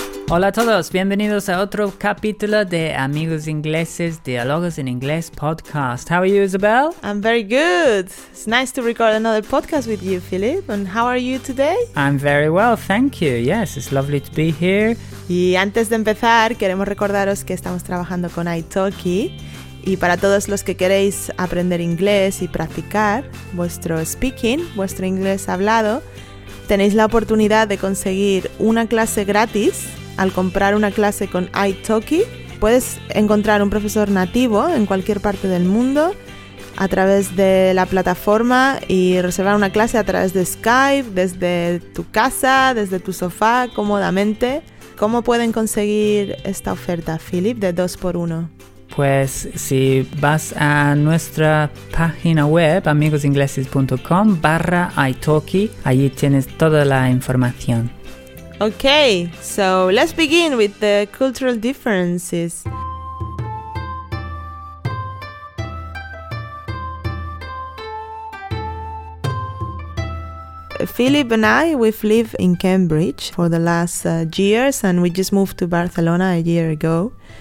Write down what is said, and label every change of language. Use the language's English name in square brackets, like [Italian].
[Spanish] Hola a todos, bienvenidos a otro capítulo de Amigos Ingleses Diálogos en Inglés podcast. [English] How are you, Isabel? I'm very good. It's nice to record another podcast with you, Philip. And how are you today? I'm very well, thank you. Yes, it's lovely to be here. [Spanish] Y antes de empezar, queremos recordaros que estamos trabajando con italki. Y para todos los que queréis aprender inglés y practicar vuestro speaking, vuestro inglés hablado, tenéis la oportunidad de conseguir una clase gratis al comprar una clase con italki. Puedes encontrar un profesor nativo en cualquier parte del mundo a través de la plataforma y reservar una clase a través de Skype, desde tu casa, desde tu sofá, cómodamente. ¿Cómo pueden conseguir esta oferta, Philip, de 2x1? Pues si vas a nuestra página web, amigosingleses.com/italki, allí tienes toda la información. [English] Okay, so let's begin with the cultural differences. Philip and I, we've lived in Cambridge for the last years, and we just moved to Barcelona a year ago.